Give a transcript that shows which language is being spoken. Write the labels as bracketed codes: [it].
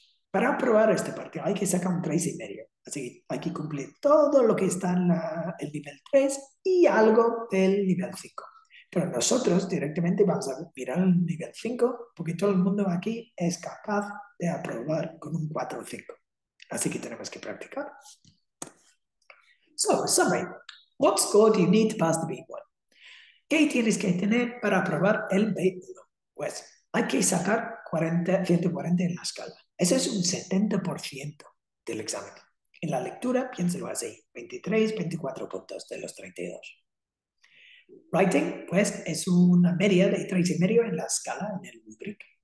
[es] Para aprobar este partido hay que sacar un 3,5. Así que hay que cumplir todo lo que está en el nivel 3 y algo del nivel 5. Pero nosotros directamente vamos a mirar el nivel 5 porque todo el mundo aquí es capaz de aprobar con un 4 o 5. Así que tenemos que practicar. [en] So, summary. What score do you need to pass the B1? [es] ¿Qué tienes que tener para aprobar el B1? Pues hay que sacar 140 en la escala. Ese es un 70% del examen. En la lectura, piénselo así, 23, 24 puntos de los 32. Writing, pues, es una media de 3,5 en la escala, en el rubric.